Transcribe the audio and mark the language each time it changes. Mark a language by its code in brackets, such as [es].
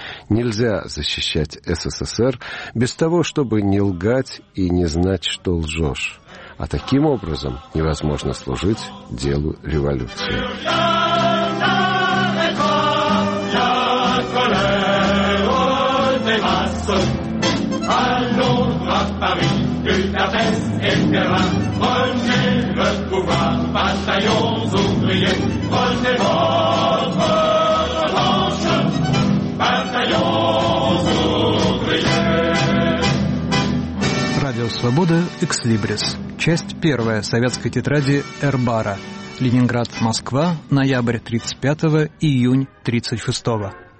[ru] Нельзя защищать СССР без того, чтобы не лгать и не знать, что лжешь. А таким образом невозможно служить делу революции. Аллюра, Париж. Chavez et Perrin. [fr] Prenez le pouvoir, bataillons ouvriers. Prenez votre revanche, bataillons ouvriers. [ru] Radio Свобода, Ex Libris. Часть первая советской тетради Эрбара. Ленинград, Москва, ноябрь 35-го, июнь 36-го.